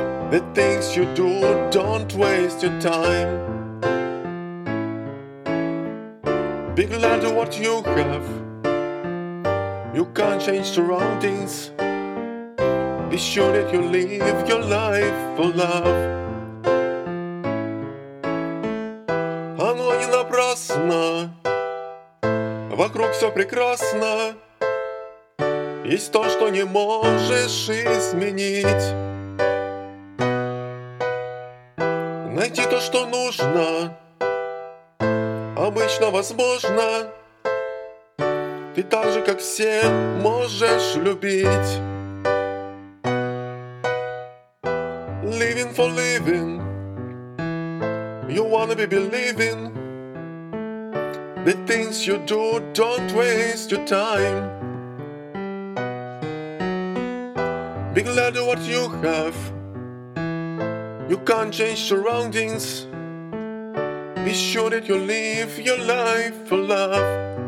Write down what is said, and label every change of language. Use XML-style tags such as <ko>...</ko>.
<en>The things you do, don't waste your time. Be glad of what you have, you can't change surroundings. Be sure that you live your life for love.</en> <ru>Оно не напрасно, вокруг все прекрасно, есть то, что не можешь изменить. Найти то, что нужно, обычно возможно. И так же, как все, можешь любить.</ru> <en>Living for living, you wanna be believing. The things you do, don't waste your time. Be glad of what you have, you can't change surroundings. Be sure that you live your life for love.</en>